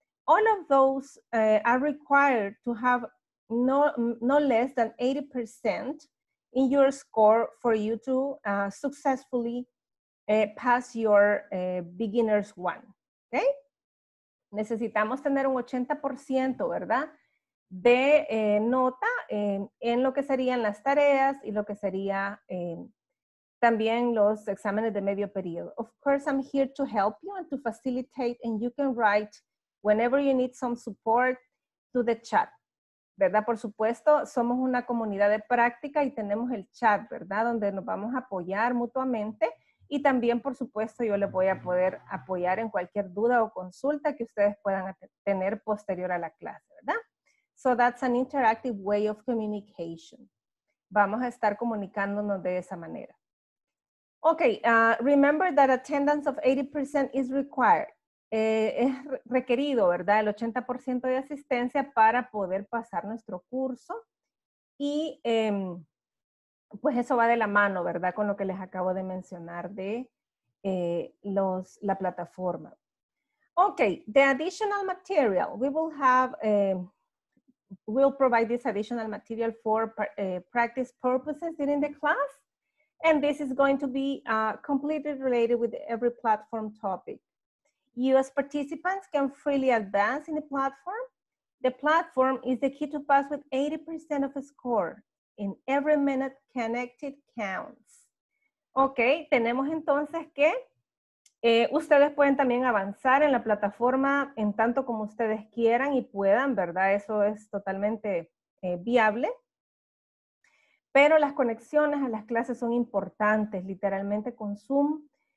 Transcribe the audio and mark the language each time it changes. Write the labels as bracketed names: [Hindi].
[English] All of those are required to have no less than 80% in your score for you to successfully pass your beginner's one. [Spanish] Okay? Necesitamos tener un 80%, ¿verdad? De nota en lo que serían las tareas y lo que sería también los exámenes de medio periodo. [English] Of course, I'm here to help you and to facilitate, and you can write whenever you need some support to the chat, ¿verdad? [Spanish] Por supuesto, somos una comunidad de práctica y tenemos el chat, ¿verdad? Donde nos vamos a apoyar mutuamente y también, por supuesto, yo les voy a poder apoyar en cualquier duda o consulta que ustedes puedan tener posterior a la clase, ¿verdad? [English] So that's an interactive way of communication. [Spanish] Vamos a estar comunicándonos de esa manera. [English] Okay, remember that attendance of 80% is required. [Spanish] Es requerido, ¿verdad? El 80% de asistencia para poder pasar nuestro curso. Y pues eso va de la mano, ¿verdad? Con lo que les acabo de mencionar de la plataforma. [English] Okay, the additional material, we will have, we'll provide this additional material for practice purposes during the class. And this is going to be completely related with every platform topic. U.S. participants can freely advance in the platform. The platform is the key to pass with 80% of a score. In every minute connected counts. [Spanish] Okay, tenemos entonces que ustedes pueden también avanzar en la plataforma en tanto como ustedes quieran y puedan, ¿verdad? Eso es totalmente viable. Pero las conexiones a las clases son importantes, literalmente con Zoom.